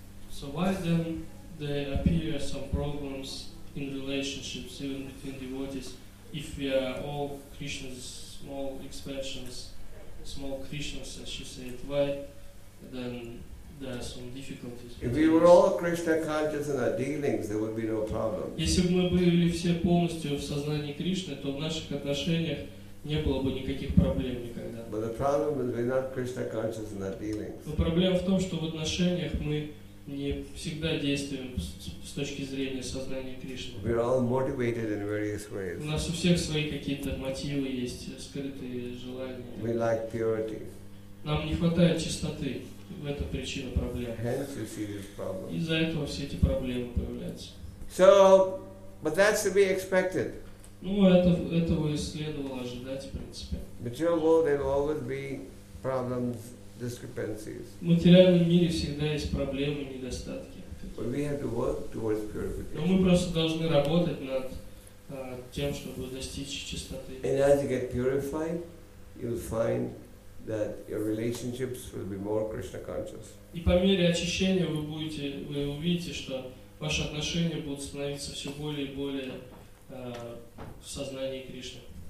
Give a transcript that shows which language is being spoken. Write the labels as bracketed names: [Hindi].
[English] So why then there appear some problems in relationships, even between devotees, if we are all Krishna's small expressions, small Krishna's, as she said? Why then there are some difficulties? If we were all Krishna conscious in our dealings, there would be no problem. [Russian] Если бы мы были все полностью в сознании Кришны, то в наших отношениях не было бы никаких проблем никогда. [English] But the problem is we're not Krishna conscious in our dealings. [Russian] Но проблема в том, что в отношениях мы не всегда действуем с точки зрения сознания Кришны. [English] We're all motivated in various ways. [Russian] У нас у всех свои какие-то мотивы есть, скрытые желания. [English] We lack purity. [Russian] Нам не хватает чистоты. В этом причина проблем. [English] Hence you see these problems. [Russian] Из-за этого все эти проблемы появляются. [English] So, but that's to be expected. [Russian] Ну, этого и следовало ожидать, в принципе. [English] But you know, there will always be problems. Discrepancies. [Russian] В материальном мире всегда есть проблемы, недостатки. [English] But we have to work towards purification. [Russian] Но мы просто должны работать над тем, чтобы достичь чистоты. [English] And as you get purified, you will find that your relationships will be more Krishna conscious. [Russian] И по мере очищения вы увидите, что ваши отношения будут становиться все более и более в сознании Кришны.